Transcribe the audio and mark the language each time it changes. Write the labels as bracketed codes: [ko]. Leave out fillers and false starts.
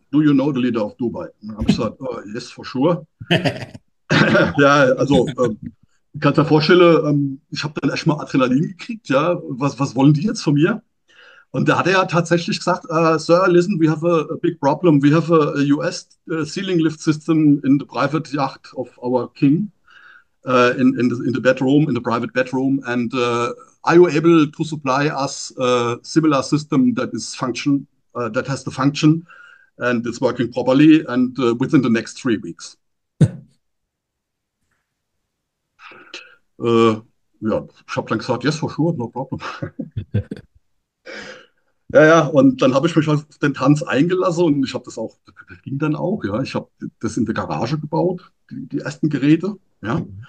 [en] Do you know the leader of Dubai? [de] Und dann habe ich gesagt, [en] oh, yes, for sure. [de] Ja, also kannst du dir vorstellen, ich habe dann erstmal Adrenalin gekriegt, ja. Was wollen die jetzt von mir? Und da hat er ja tatsächlich gesagt, [en] Sir, listen, we have a big problem. We have a US ceiling lift system in the private yacht of our king, in the bedroom, in the private bedroom. And are you able to supply us a similar system that is function, that has the function and it's working properly and within the next 3 weeks? [de] Ja, ich habe dann gesagt, [en] yes, for sure, no problem. [de] Ja, und dann habe ich mich auf den Tanz eingelassen und ich habe das auch, das ging dann auch, ja. Ich habe das in der Garage gebaut, die ersten Geräte, ja.